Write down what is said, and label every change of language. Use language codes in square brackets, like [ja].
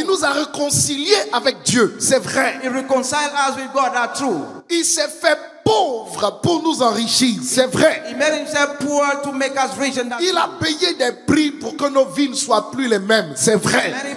[fr] Il nous a réconciliés avec Dieu, c'est vrai. [en] He reconciled us with God, that's true. [fr] Il s'est fait pauvre pour nous enrichir, c'est vrai. [en] He made himself poor to make us rich, and that's [fr] il a payé des prix pour que nos vies ne soient plus les mêmes, c'est vrai.